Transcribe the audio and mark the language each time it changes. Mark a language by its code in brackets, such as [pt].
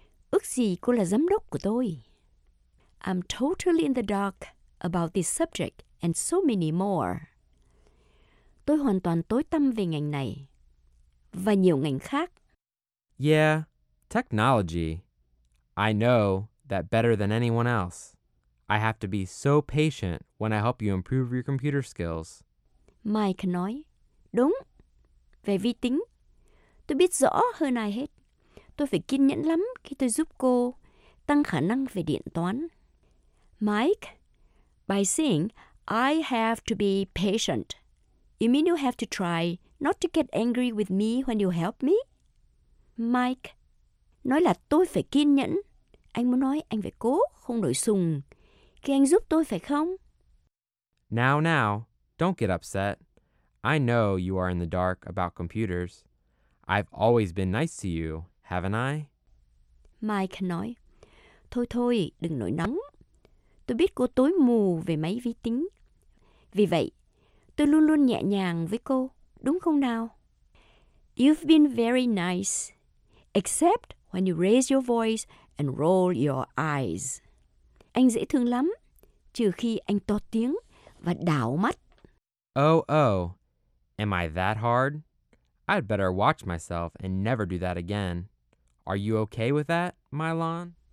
[vi] Ước gì cô là giám đốc của tôi. [en] I'm totally in the dark about this subject and so many more. [vi] Tôi hoàn toàn tối tăm về ngành này và nhiều ngành khác. [en] Yeah, technology. I know that better than anyone else. I have to be so patient when I help you improve your computer skills. [vi] Mike nói, đúng, về vi tính. Tôi biết rõ hơn ai hết. Tôi phải kiên nhẫn lắm khi tôi giúp cô tăng khả năng về điện toán. [en] Mike, by saying, I have to be patient, you mean you have to try not to get angry with me when you help me? [vi] Mike, nói là tôi phải kiên nhẫn. Anh muốn nói anh phải cố, không nổi sùng. Khi anh giúp tôi phải không? [en] Now, now, don't get upset. I know you are in the dark about computers. I've always been nice to you, haven't I? [vi] Mike nói, thôi thôi, đừng nổi nóng. Tôi biết cô tối mù về máy vi tính. Vì vậy, tôi luôn luôn nhẹ nhàng với cô, đúng không nào? [en] You've been very nice, except when you raise your voice and roll your eyes. [vi] Anh dễ thương lắm, trừ khi anh to tiếng và đảo mắt. [en] Am I that hard? I'd better watch myself and never do that again. Are you okay with that, Mylon?